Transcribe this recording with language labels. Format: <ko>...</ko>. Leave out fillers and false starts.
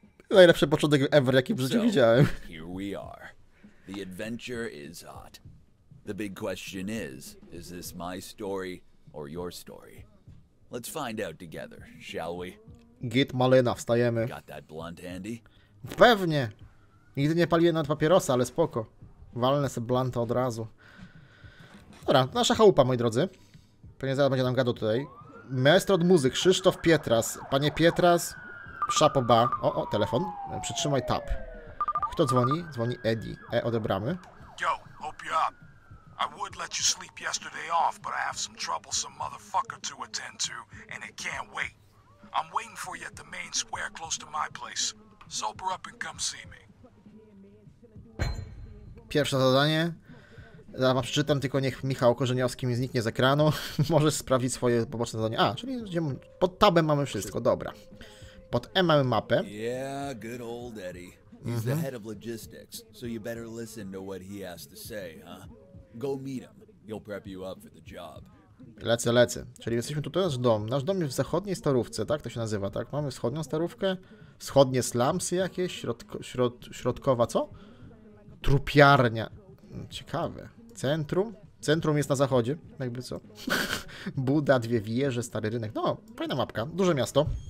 <pl>Najlepszy początek ever, jaki w życiu widziałem.</pl> <en>Here we are. The adventure is hot. The big question is this my story or your story? Let's find out together, shall we?</en> <pl>Git malina, wstajemy.</pl> <en>Got that blunt handy?</en> <pl>Pewnie. Nigdy nie paliłem nawet papierosa, ale spoko. Walnę sobie blunta od razu. Dobra, nasza chałupa, moi drodzy. Pewnie zaraz będzie nam gadał tutaj. Maestro od muzyk, Krzysztof Pietras. Panie Pietras, szapoba. O, o, telefon. Przytrzymaj tab. Kto dzwoni? Dzwoni Eddie. Odebramy.</pl> <en>Yo, hope you're up. I would let you sleep yesterday off, but I have some troublesome motherfucker to attend to, and it can't wait. I'm waiting for you at the main square close to my place. Sober up and come see me.</en> <pl>Pierwsze zadanie. Zaraz wam przeczytam, tylko niech Michał Korzeniowski mi zniknie z ekranu. Możesz sprawdzić swoje poboczne zadanie. A, czyli pod tabem mamy wszystko, dobra. Pod M mamy mapę.</pl> <en>Yeah, good old</en> <pl>Eddie.</pl> <en>He's the head of logistics, so you better listen to what he has to say, huh? Go meet him. He'll prep you up for the job.</en> <pl>Lecę, lecę. Czyli jesteśmy tutaj, nasz dom. Nasz dom jest w zachodniej starówce, tak? To się nazywa, tak? Mamy wschodnią starówkę. Wschodnie slumsy jakieś? Środkowa co? Trupiarnia. Ciekawe. Centrum? Centrum jest na zachodzie. Jakby co? Buda, dwie wieże, stary rynek. No, fajna mapka. Duże miasto.</pl>